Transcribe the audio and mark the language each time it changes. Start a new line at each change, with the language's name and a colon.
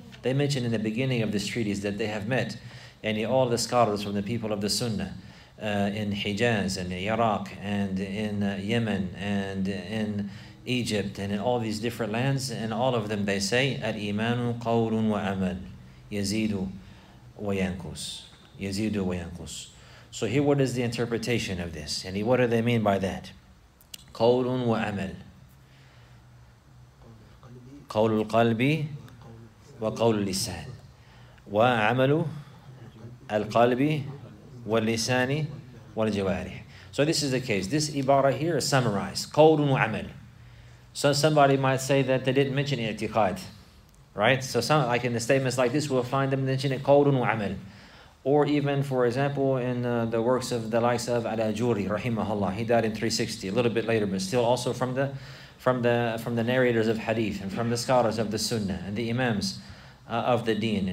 English: They mentioned in the beginning of this treatise that they have met any all the scholars from the people of the Sunnah in Hijaz and Iraq and in Yemen and in Egypt and in all these different lands, and all of them they say,
Arabic: al-Imanu qawlun wa amal, yazidu wa yankus,
English: yazidu wa yankus. So here, what is the interpretation of this? And what do they mean by that?
Arabic: Qawlun wa amal. قول القلب وقول اللسان وعمل القلب واللسان والجوارح.
English: So this is the case. This ibara here is summarized.
Arabic: قول وعمل.
English: So somebody might say that they didn't mention i'tiqad, right? So some, like in the statements like this, we'll find them mentioning
Arabic: قول وعمل.
English: Or even, for example, in the works of the likes of Al-Ajuri, rahimahullah, he died in 360, a little bit later, but still also from the narrators of hadith and from the scholars of the sunnah and the imams of the deen.